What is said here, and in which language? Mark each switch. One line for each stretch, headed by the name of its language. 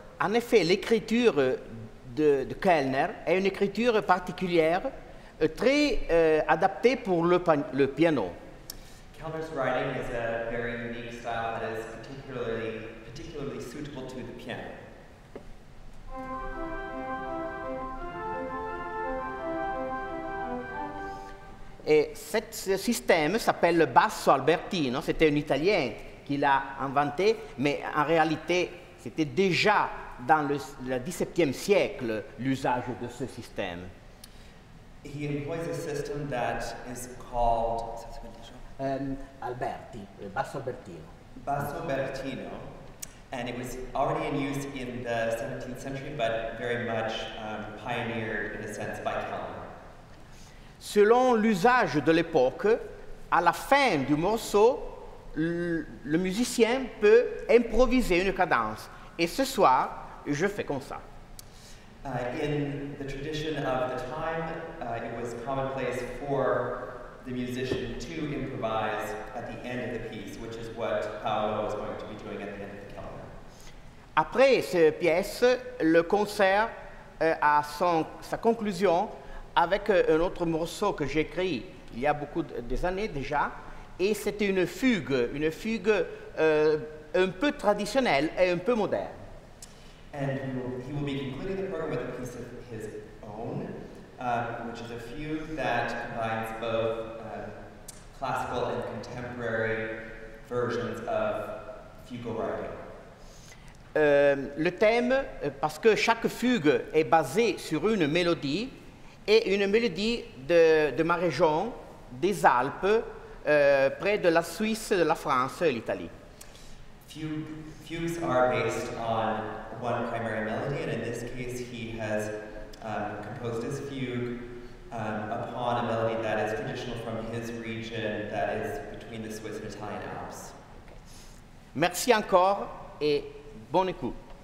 French: En effet, l'écriture de Kellner est une écriture particulière, très adaptée pour le piano.
English: Kellner's writing is a very unique style that is particularly suitable to the piano.
French: Et ce système s'appelle le basso albertino, c'était un Italien qui l'a inventé, mais en réalité, c'était déjà dans le 17e siècle l'usage de ce système.
English: He employs a system that is called
French: Alberti, le basso albertino.
English: Basso albertino, and it was already in use in the 17th century, but very much pioneered in a sense by Kellner.
French: Selon l'usage de l'époque, à la fin du morceau, le musicien peut improviser une cadence. Et ce soir, je fais comme ça.
English: In the tradition of the time, it was commonplace for the musician to improvise at the end of the piece, which is what Paolo was going to be doing at the end of the calendar.
French: Après cette pièce, le concert a sa conclusion avec un autre morceau que j'ai écrit il y a beaucoup d'années déjà, et c'était une fugue un peu traditionnelle et un peu moderne.
English: And he will be concluding the program with a piece of his own, which is a fugue that combines both classical and contemporary versions of fugal writing.
French: Le thème, parce que chaque fugue est basée sur une mélodie, et une mélodie de ma région, des Alpes, près de la Suisse, de la France et l'Italie.
English: Fugues are based on one primary melody, and in this case, he has composed his fugue upon a melody that is traditional from his region, that is between the Swiss and Italian Alps.
French: Merci encore et bon écoute.